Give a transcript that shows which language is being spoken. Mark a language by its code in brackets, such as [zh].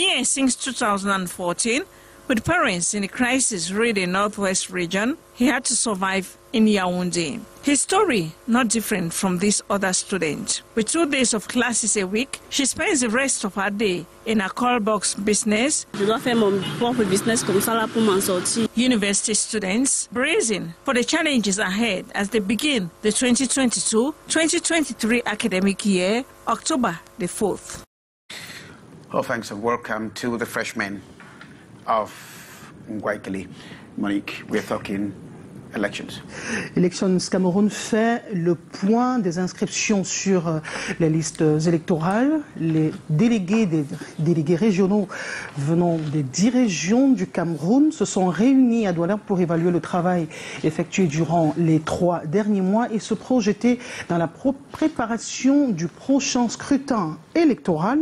[en] Here, since 2014, with parents in a crisis really in the Northwest region, he had to survive in Yaoundé. His story not different from this other student. With 2 days of classes a week, she spends the rest of her day in a call box business. [fr] Je dois faire mon propre business comme ça là pour m'en sortir. [en] University students bracing for the challenges ahead as they begin the 2022-2023 academic year, October the 4th. Oh, thanks and welcome to the freshmen of Ngwaikili. Monique, we're talking elections. [fr] Elections Cameroun fait le point des inscriptions sur les listes électorales. Les délégués des délégués régionaux venant des 10 régions du Cameroun se sont réunis à Douala pour évaluer le travail effectué durant les 3 derniers mois et se projeter dans la préparation du prochain scrutin électoral.